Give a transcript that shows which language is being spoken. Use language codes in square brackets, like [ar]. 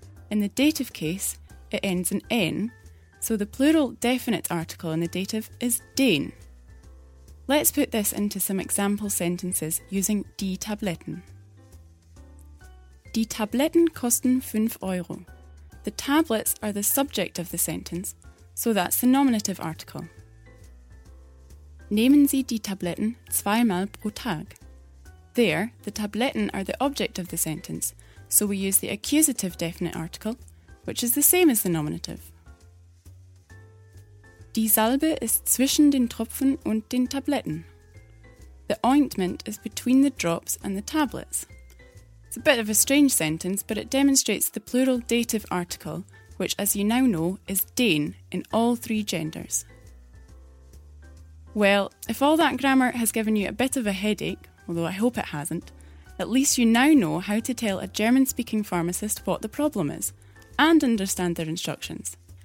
[en] In the dative case, it ends in n, so the plural definite article in the dative is den. Let's put this into some example sentences using die Tabletten. [de] Die Tabletten kosten 5 Euro. [en] The tablets are the subject of the sentence, so that's the nominative article. [de] Nehmen Sie die Tabletten zweimal pro Tag. [en] There, the Tabletten are the object of the sentence, so we use the accusative definite article, which is the same as the nominative. [de] Die Salbe ist zwischen den Tropfen und den Tabletten. [en] The ointment is between the drops and the tablets. It's a bit of a strange sentence, but it demonstrates the plural dative article, which, as you now know, is den in all three genders. Well, if all that grammar has given you a bit of a headache, although I hope it hasn't, at least you now know how to tell a German-speaking pharmacist what the problem is and understand their instructions.